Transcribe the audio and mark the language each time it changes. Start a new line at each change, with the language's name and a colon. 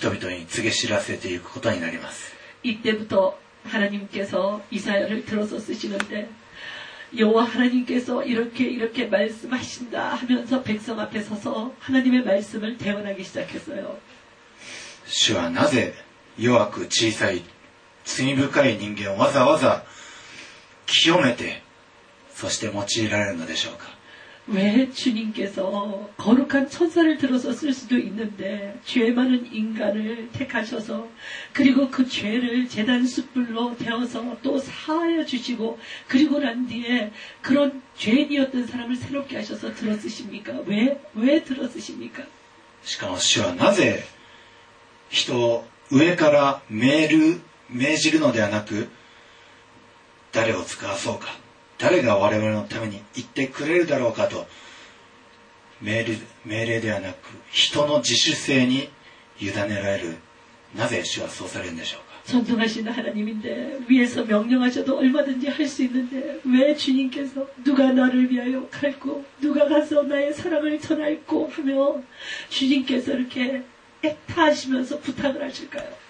Japanese: そしてイザヤは整えられて、その後主の御胸を人々に告げ知らせていくことになります。
Korean: 이때부터 하나님께서 이사야를 들어서 쓰시는데 여호와 하나님께서 이렇게 이렇게 말씀하신다 하면서 백성 앞에 서서 하나님의 말씀을 대언하기 시작했어요.
Japanese: 主はなぜ弱く小さい罪深い人間をわざわざ清めてそして用いられるのでしょうか?
Korean: 왜 주님께서 거룩한 천사를 들어서 쓸 수도 있는데 죄 많은 인간을 택하셔서 그리고 그 죄를 제단 숯불로 태워서 또 사하여 주시고 그리고 난 뒤에 그런 죄인이었던 사람을 새롭게 하셔서 들어쓰십니까? 왜 들어쓰십니까?
Japanese: 主はなぜ 人を上から命令のではなく誰を使わそうか誰が我々のために言ってくれるだろうかと命令ではなく人の自主性に委ねられるなぜ主はそうされるんでしょうか
Korean: 전능하신 하나님인데 위에서 명령하셔도 얼마든지 할 수 있는데 왜 주님께서 누가 나를 위하여 갈고 누가 가서 나의 사랑을 전할고 하며 주님께서 이렇게 애타하시면서 부탁을 하실까요?